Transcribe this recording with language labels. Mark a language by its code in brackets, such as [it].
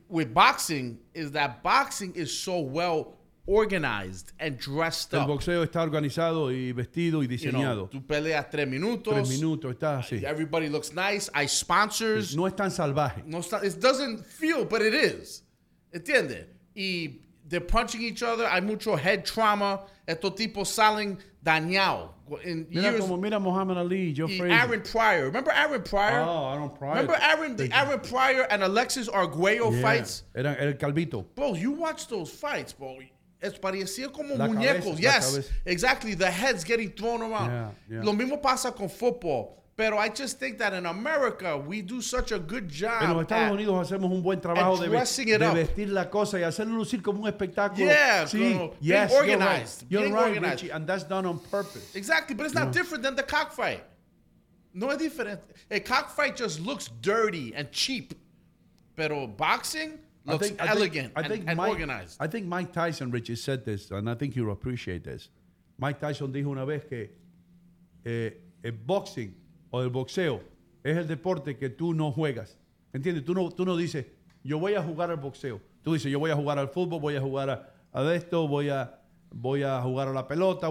[en] with boxing is that boxing is so well organized and dressed up. [es] El boxeo está organizado y vestido y diseñado. [en] You know, [es] tú peleas tres minutos, está así. [en] Everybody looks nice. [es] Hay sponsors. No es tan salvaje. [en] It doesn't feel, but it is. [es] ¿Entiende? Y [en] they're punching each other. [es] Hay mucho [en] head trauma. [es] Estos tipos salen dañados. Mira Muhammad Ali, Joe [en] Frazier. Aaron Pryor. Remember Aaron Pryor? Oh, Aaron Pryor. Remember Aaron Pryor and Alexis Arguello fights? [es] Era el calvito. [en] Bro, you watch those fights, bro. [es] Es parecía como muñecos. [en] Yes, exactly. The heads getting thrown around. Yeah. [es] Lo mismo pasa con fútbol. Pero [en] I just think that in America, we do such a good job. [es] En los Estados Unidos hacemos un buen trabajo de vestir la cosa y hacerlo lucir como un espectáculo. [en] Yeah, [es] sí. [en] Being yes, organized. You're right, Richie. And that's done on purpose. Exactly, but it's not different than the cockfight. [es] No es diferente. [en] A cockfight just looks dirty and cheap. [es] Pero [en] boxing... Looks elegant and organized. I think Mike Tyson, Richie, said this, and I think you'll appreciate this. [es] Mike Tyson dijo una vez que el boxing o el boxeo es el deporte que tú no juegas. ¿Entiendes? Tú no dices, yo voy a jugar al boxeo. Tú dices, yo voy a jugar al fútbol, voy a jugar a esto, voy a jugar a la pelota.